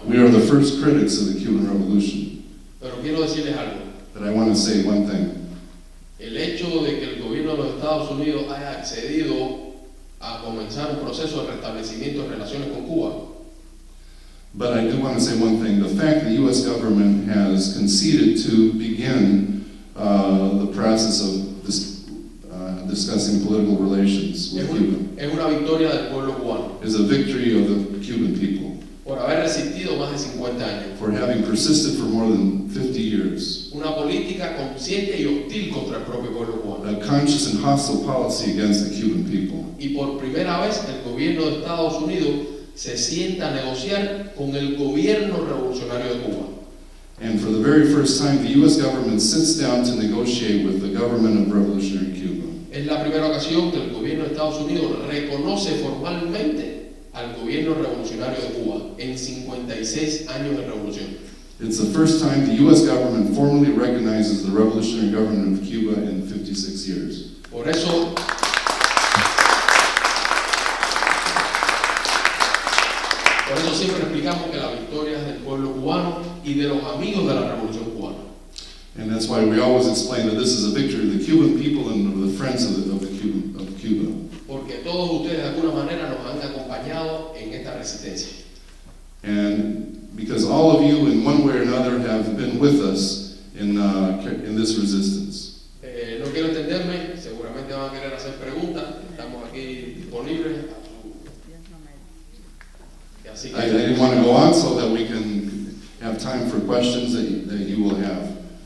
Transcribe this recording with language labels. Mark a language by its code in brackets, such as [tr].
[en] We are the first critics of the Cuban Revolution. [es] Pero quiero decirles algo. [en] But I want to say one thing. [es] El hecho de que el gobierno de los Estados Unidos haya accedido a comenzar un proceso de restablecimiento de relaciones con Cuba. [en] But I do want to say one thing. The fact that the U.S. government has conceded to begin the process of discussing political relations with Cuba [es] es una victoria del pueblo cubano. [en] Is a victory of the Cuban people. [es] Por haber resistido más de 50 años. [en] For having persisted for more than 50 years. [es] Una política consciente y hostil contra el propio pueblo cubano. [en] A conscious and hostile policy against the Cuban people. [es] Y por primera vez el gobierno de Estados Unidos se sienta a negociar con el gobierno revolucionario de Cuba. [en] And for the very first time, the U.S. government sits down to negotiate with the government of revolutionary Cuba. [es] Es la primera ocasión que el gobierno de Estados Unidos reconoce formalmente al gobierno revolucionario de Cuba en 56 años de revolución. [en] It's the first time the U.S. government formally recognizes the revolutionary government of Cuba in 56 years. [es] Por eso siempre explicamos que la victoria es del pueblo cubano y de los amigos de la revolución cubana. [en] And that's why we always explain that this is a victory of the Cuban people and of the friends of Cuba. [es] Porque todos ustedes de alguna manera nos han acompañado en esta resistencia. [en] And because all of you in one way or another have been with us in this resistance. [es] No quiero entenderme, seguramente van a querer hacer preguntas, estamos aquí disponibles. [en] I didn't want to go on so that we can have time for questions that you will have.